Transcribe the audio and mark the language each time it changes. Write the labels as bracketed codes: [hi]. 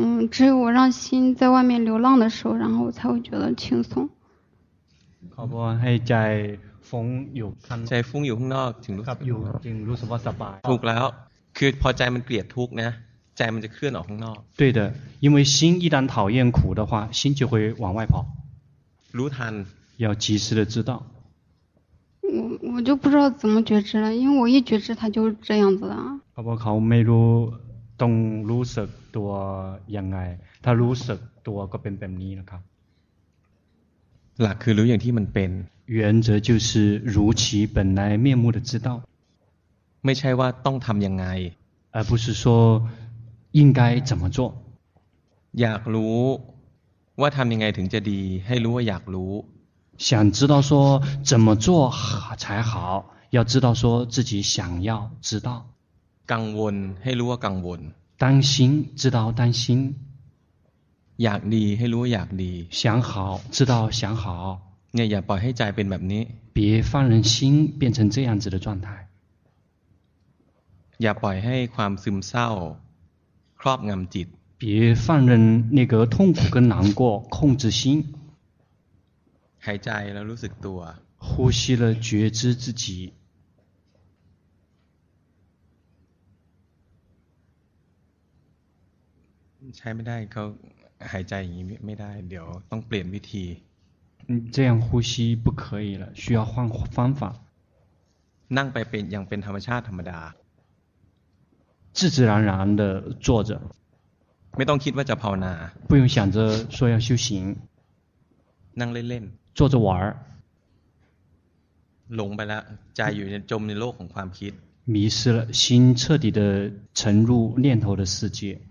[zh] 只有我让心在外面流浪的时候然后我才会觉得轻松 [th] ขอบคุณให้ใจฟุ้งอยู่ ข้างใจฟุ้งอยู่ข้างนอกถึงรู้สึก อยู่จึงรู้สึกว่าสบาย ถูกแล้วคือพอใจมันเกลียดทุกข์นะใจมันจะเคลื่อนออกข้างนอก [zh] 对的因为心一旦讨厌苦的话心就会往外跑 [th] รู้ทัน [zh] 要及时的知道我就不知道怎么觉知了因为我一觉知它就是这样子的 [th] ขอบคุณไม่รู้ต้องรู้สึกตัวยังไงถ้ารู้สึกตัวก็เป็นแบบนี้นะครับ หลักคือรู้อย่างที่มันเป็น [zh] 原则就是如其本来面目的知道 [th] ไม่ใช่ว่าต้องทำยังไง [zh] 而不是说应该怎么做 [th] อยากรู้ว่าทำยังไงถึงจะดีให้รู้ว่าอยากรู้ [zh] 想知道说怎么做才好要知道说自己想要知道 [th] กังวลให้รู้ว่ากังวล [zh] 担心知道担心 [th] อยากดีให้รู้ว่าอยากดี [zh] 想好知道想好 [th] เนี่ยอย่าปล่อยให้ใจเป็นแบบนี้ [zh] 别放任心变成这样子的状态 [th] อย่าปล่อยให้ความซึมเศร้าครอบงำจิต [zh] 别放任那个痛苦跟难过控制心 [th] หายใจแล้วรู้สึกตัว [zh] 呼吸了觉知自己 [th] ใช้ไม่ได้เขาหายใจอย่างนี้ไม่ได้เดี๋ยวต้องเปลี่ยนวิธี [zh] 这样呼吸不可以了需要换方法 [th] นั่งไปเป็นอย่างเป็นธรรมชาติธรรมดา [zh] 自自然然的坐着 [th] ไม่ต้องคิดว่าจะภาวนา [zh] 不用想着说要修行 [th] นั่งเล่น [zh] ๆ坐着玩 [th] หลงไปแล้วใจอยู่จมในโลกของความคิด [zh] 迷失了心彻底的沉入念头的世界